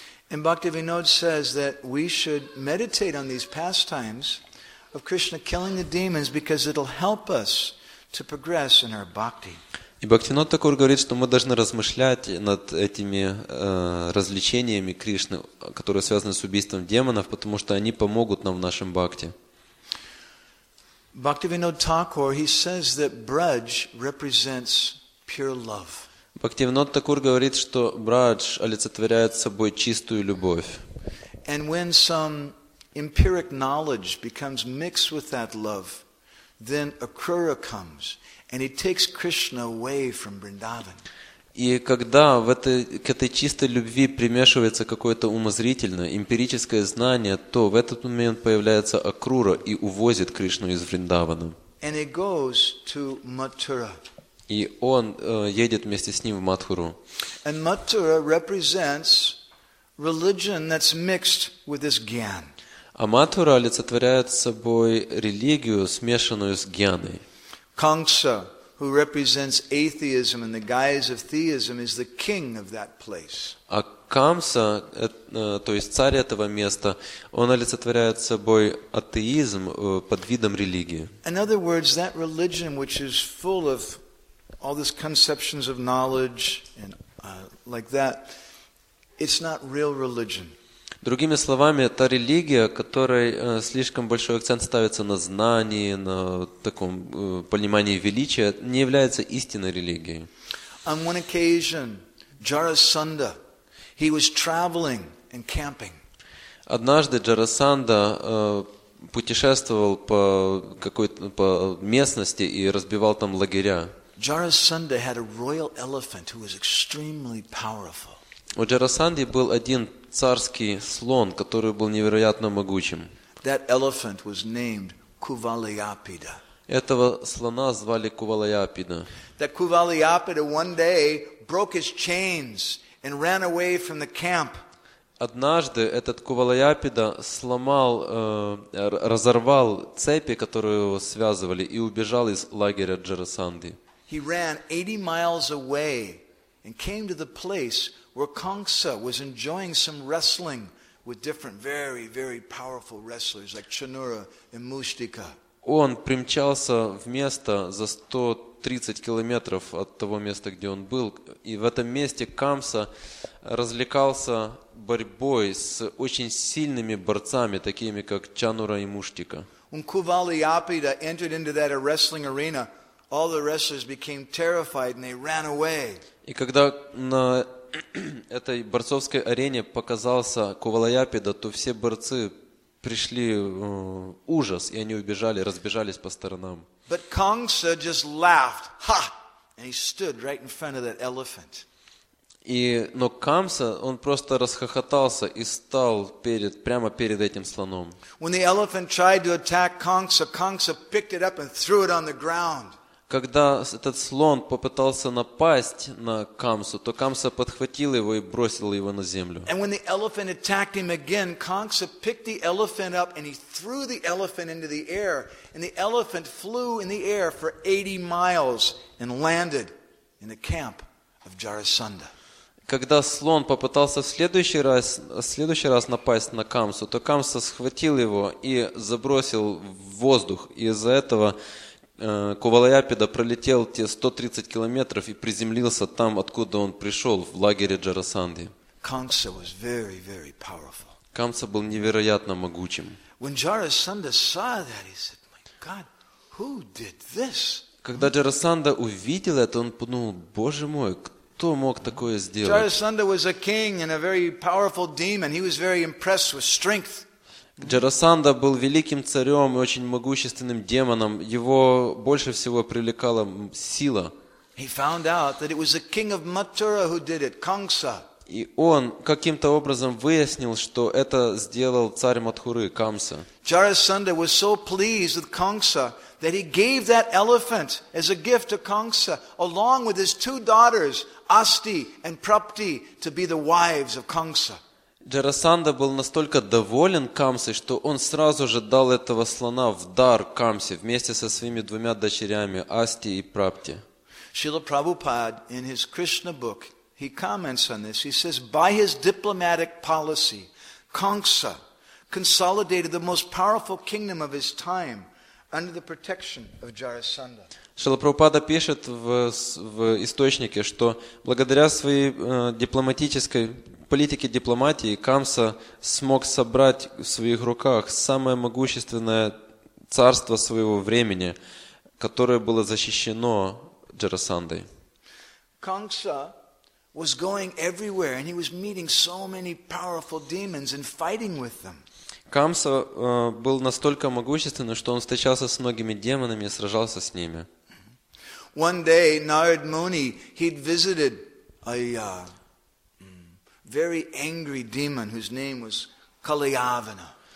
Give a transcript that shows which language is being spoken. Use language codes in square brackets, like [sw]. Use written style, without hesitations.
[en] And Bhaktivinoda says that we should meditate on these pastimes of Krishna killing the demons because it'll help us to progress in our bhakti. [ru] И Бхактинот Такур говорит, что мы должны размышлять над этими развлечениями Кришны, которые связаны с убийством демонов, потому что они помогут нам в нашем бхакти. [en] Bhaktivinoda Thakur, he says that Braj represents pure love. [ru] Бхактивинод Такур говорит, что Брадж олицетворяет собой чистую любовь. [en] And when some empiric knowledge becomes mixed with that love, then Akrura comes. And he takes Krishna away from Vrindavan. [ru] И когда в этой, к этой чистой любви примешивается какое-то умозрительное, эмпирическое знание, то в этот момент появляется Акрура и увозит Кришну из Вриндавана. [en] And he goes to Mathura. [ru] И он едет вместе с ним в Матхуру. [en] And Mathura represents religion that's mixed with this gyan. [ru] А Матхура олицетворяет собой религию, смешанную с гьяной. [en] Kamsa, who represents atheism in the guise of theism, is the king of that place. [ru] А Камса, то есть царь этого места, он олицетворяет собой атеизм под видом религии. [en] In other words, that religion which is full of all these conceptions of knowledge and like that, it's not real religion. [ru] Другими словами, та религия, которой слишком большой акцент ставится на знании, на таком понимании величия, не является истинной религией. [en] On one occasion, Jarasandha, he was traveling and camping. [ru] Однажды Джарасандха путешествовал по местности и разбивал там лагеря. [en] Jarasandha had a royal elephant who was extremely powerful. [ru] У Джарасанди был один царский слон, который был невероятно могучим. [en] That elephant was named Kuvalayapida. [ru] Этого слона звали Кувалаяпида. [en] That Kuvalayapida one day broke his chains and ran away from the camp. [ru] Однажды этот Кувалаяпида сломал, разорвал цепи, которые его связывали, и убежал из лагеря Джарасанди. [en] He ran 80 miles away and came to the place where Kongsa was enjoying some wrestling with different very, very powerful wrestlers like Chanura and Mushtika. [ru] Он примчался в место за 130 километров от того места, где он был, и в этом месте Камса развлекался борьбой с очень сильными борцами, такими как Чанура и Муштика. [en] When Kuvalayapida entered into that wrestling arena, all the wrestlers became terrified and they ran away. [ru] И когда на этой борцовской арене показался Кувалаяпида, то все борцы пришли ужас, и они убежали, разбежались по сторонам. [en] But Kongsa just laughed, ha! And he stood right in front of that elephant. [ru] Но Камса, он просто расхохотался и стал прямо перед этим слоном. [en] When the elephant tried to attack Kongsa, Kongsa picked it up and threw it on the ground. [ru] Когда этот слон попытался напасть на Камсу, то Камса подхватил его и бросил его на землю. [en] And when the elephant attacked him again, Kongsa picked the elephant up and he threw the elephant into the air. And the elephant flew in the air for 80 miles and landed in the camp of Jarasandha. [ru] Когда слон попытался в следующий раз напасть на Камсу, то Камса схватил его и забросил в воздух. И из-за этого Кувалаяпида пролетел те 130 километров и приземлился там, откуда он пришел, в лагере Джарасанди. [en] Kongsa was very, very powerful. [ru] Камса был невероятно могучим. [en] When Jarasandha saw that, he said, "My God, who did this?" [ru] Когда Джарасанда увидел это, он подумал: "Боже мой, кто мог такое сделать?" [en] Jarasandha was a king and a very powerful demon. He was very impressed with strength. [ru] Джарасанда был великим царем и очень могущественным демоном. Его больше всего привлекала сила. [en] He found out that it was the king of Mathura who did it, Kongsa. [ru] И он каким-то образом выяснил, что это сделал царь Матхуры, Камса. [en] Jarasandha was so pleased with Kongsa that he gave that elephant as a gift to Kongsa, along with his two daughters, Asti and Prapti, to be the wives of Kongsa. [ru] Джарасанда был настолько доволен Камсой, что он сразу же дал этого слона в дар Камсе вместе со своими двумя дочерями Асти и Прапти. [en] Шрила Прабхупад in his Krishna book, he comments on this. He says, by his diplomatic policy, Kongsa consolidated the most powerful kingdom of his time under the protection of Jarasandha. [ru] Шрила Прабхупада пишет в источнике, что благодаря своей дипломатической политике дипломатии Камса смог собрать в своих руках самое могущественное царство своего времени, которое было защищено Джарасандой. [en] Kongsa was going everywhere and he was meeting so many powerful demons and fighting with them. [ru] Камса был настолько могущественным, что он встречался с многими демонами и сражался с ними. [en] One day Narad Muni he'd visited a very angry demon whose name was Kalyavana.